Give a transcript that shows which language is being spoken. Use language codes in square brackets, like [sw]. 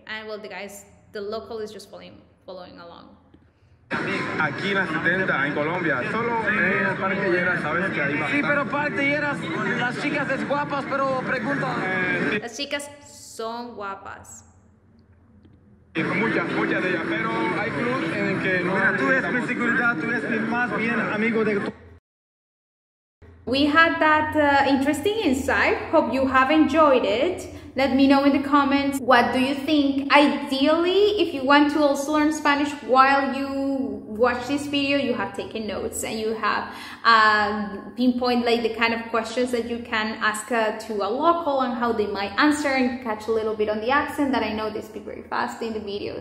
[en] And well, the local is just following along. [es] Aquí en la 70, en Colombia, solo parque lleras, sabes que ahí va. Sí, pero parque lleras, las chicas es guapas, pero pregunta. Sí. Las chicas son guapas. Muchas de ellas, pero hay club en el que no. Mira, tú eres mi seguridad, tú eres mi más bien amigo de. [en] We had that interesting insight. Hope you have enjoyed it. Let me know in the comments, what do you think? Ideally, if you want to also learn Spanish while you watch this video, you have taken notes and you have pinpoint like the kind of questions that you can ask to a local and how they might answer, and catch a little bit on the accent that I know they speak very fast in the video.